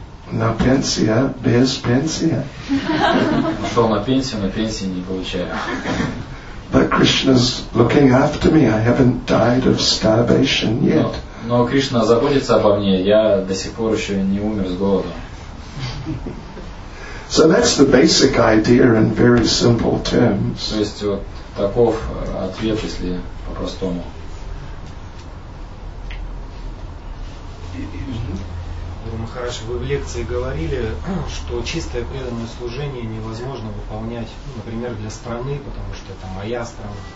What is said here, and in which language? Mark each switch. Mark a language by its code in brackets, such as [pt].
[ru] На пенсия, без пенсия. Ушел на пенсию, но пенсии не получаю. [en] But Krishna's looking after me. I haven't died of starvation yet. [ru] Но Кришна заботится обо мне. Я до сих пор еще не умер с голода. [en] So that's the basic idea in very simple terms. [ru] То есть вот таков ответ, если по-простому. Гуру Махарадж, вы в лекции говорили, что чистое преданное служение невозможно выполнять, ну, например, для страны, потому что это моя страна.